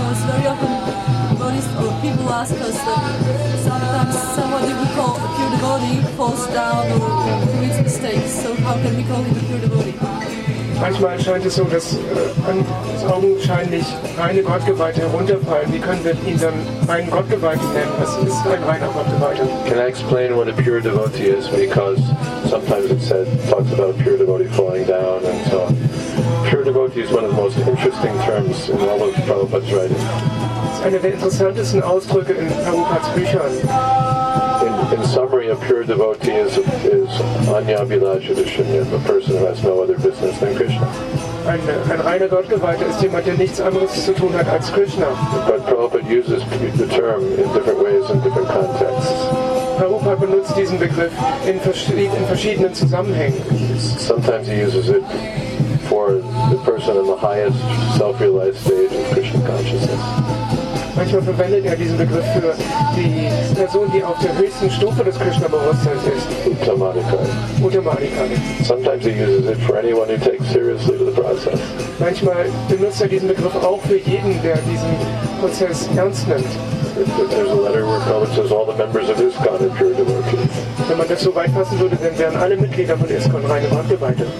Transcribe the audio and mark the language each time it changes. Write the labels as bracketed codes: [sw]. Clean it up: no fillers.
[en] Because very often people ask us that sometimes somebody we call a pure devotee falls down or commits mistakes. So how can we call him a pure devotee? [de] Manchmal scheint es so, dass augenscheinlich reine Gottgeweihte herunterfallen. Wie können wir ihn dann reinen Gottgeweihten nennen? Was ist ein reiner Gottgeweihter? [en] Can I explain what a pure devotee is? Because sometimes it said talks about a pure devotee falling down and so on. Pure devotee is one of the most interesting terms in all of Prabhupada's writing. [de] Es ist einer der interessantesten Ausdrücke in Prabhupadas Büchern. [en] In summary, a pure devotee is Anyabhilashadushanya, a person who has no other business than Krishna. [de] Ein reiner Gottgeweihter ist jemand, der nichts anderes zu tun hat als Krishna. [en] But Prabhupada uses the term in different ways in different contexts. [de] Prabhupada benutzt diesen Begriff in verschiedenen Zusammenhängen. [en] Sometimes he uses it for the person in the highest self-realized stage of Krishna consciousness. [de] Manchmal verwendet er diesen Begriff für die Person, die auf der höchsten Stufe des Krishna-Bewusstseins ist. [en] Uttamadika. [de] Uttamadika. [en] Sometimes he uses it for anyone who takes seriously the process. [de] Manchmal benutzt er diesen Begriff auch für jeden, der diesen Prozess ernst nimmt. [en] If there's a letter where Prabhupada says all the members of ISKCON are pure devotees. [de] Wenn man das so weit fassen würde, dann wären alle Mitglieder von ISKCON reine Gottgeweihte.